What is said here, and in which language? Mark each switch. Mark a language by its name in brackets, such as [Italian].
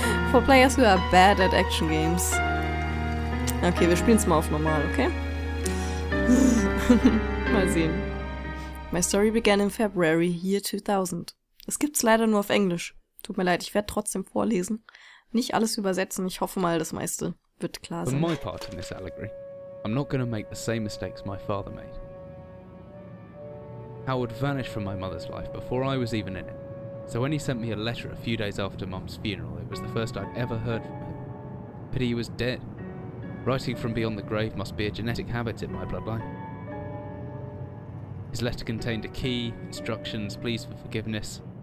[English] For players who are bad at action games. [German] Okay, wir spielen es mal auf normal, okay? Mal sehen. [English] My story began in February, year 2000. [German] Das gibt's leider nur auf Englisch. Tut mir leid, ich werde trotzdem vorlesen. Nicht alles übersetzen, ich hoffe mal, das meiste wird klar sein. [English] For my part in this allegory, I'm not gonna make the same mistakes my father made. Howard vanished from my mother's life before I was even in it. So when he sent me a letter a few days after Mum's funeral, it was the first I'd ever heard from him. But he was dead. Writing from beyond the grave must be a genetic habit in my bloodline. His letter contained a key, instructions, pleas for forgiveness.